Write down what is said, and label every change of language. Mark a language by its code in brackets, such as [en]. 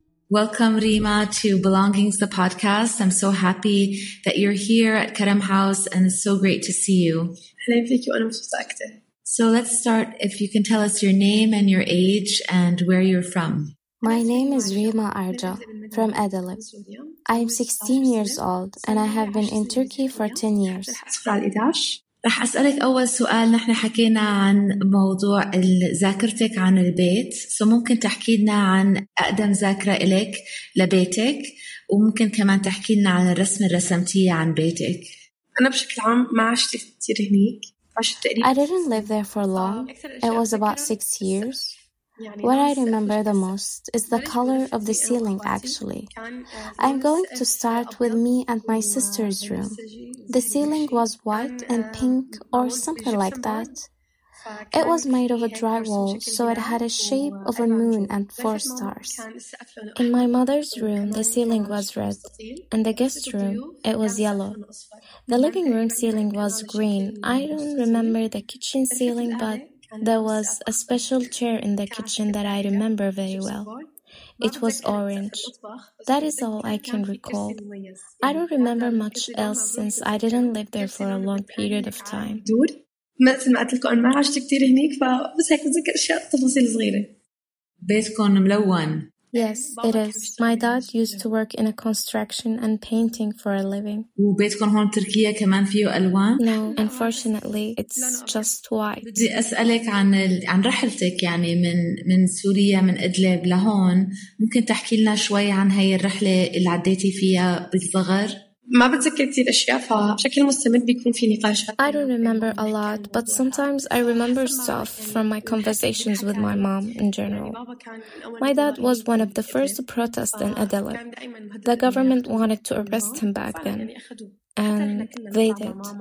[en] Welcome, Rima, to Belongings, the podcast. I'm so happy that you're here at Karam House, and it's so great to see you. Hello, thank you. I'm so excited. So let's start, if you can tell us your name and your age and where you're from. My name is Rima Arca from Adalib. I am 16 years old and I have been in Turkey for 10 years. [ar] رح أسألك أول سؤال. نحن حكينا عن موضوع ذاكرتك عن البيت. So ممكن تحكي لنا عن أقدم ذاكرة إليك لبيتك وممكن كمان تحكي لنا عن الرسم الرسمتية عن بيتك. أنا بشكل عام ما عشت كتير هنيك. [en] I didn't live there for long. It was about 6 years. What I remember the most is the color of the ceiling, actually. I'm going to start with me and my sister's room. The ceiling was white and pink or something like that. It was made of a drywall, so it had a shape of a moon and four stars. In my mother's room, the ceiling was red. In the guest room, it was yellow. The living room ceiling was green. I don't remember the kitchen ceiling, but there was a special chair in the kitchen that I remember very well. It was orange. That is all I can recall. I don't remember much else since I didn't live there for a long period of time. [ar] مثل ما قلت لكم أنا ما عشت كتير هناك فبس هيك بتذكر أشياء تفاصيل صغيرة. بيتكم ملون. [en] Yes, it is. My dad used to work in a construction and painting for a living. [ar] وبيتكم هون تركيا كمان فيه ألوان؟ [en] No, unfortunately, it's just white. [ar] بدي أسألك عن عن رحلتك يعني من سوريا من إدلب لهون. ممكن تحكي لنا شوي عن هاي الرحلة اللي عديتي فيها بالصغر؟ [en] I don't remember a lot, but sometimes I remember stuff from my conversations with my mom in general. My dad was one of the first to protest in Adalib. The government wanted to arrest him back then, and they did.